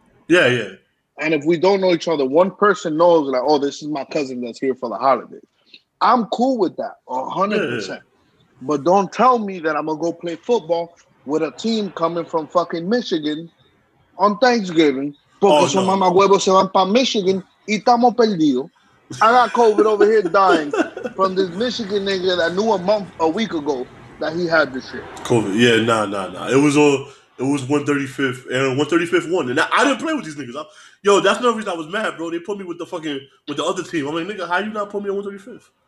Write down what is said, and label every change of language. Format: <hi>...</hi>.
<en>Yeah, yeah. And if we don't know each other, one person knows, like, oh, this is my cousin that's here for the holiday. I'm cool with that, 100%. Yeah. But don't tell me that I'm going to go play football with a team coming from fucking Michigan on Thanksgiving.</en> <es>Porque su mamá huevo se van para Michigan y estamos perdidos.</es> <en>I got COVID over here dying from this Michigan nigga that knew a week ago. That he had this shit. COVID. Yeah, nah. It was 135th. And 135th won. And I didn't play with these niggas. That's another reason I was mad, bro. They put me with the fucking, with the other team. I'm like, nigga, how you not put me on 135th?</en>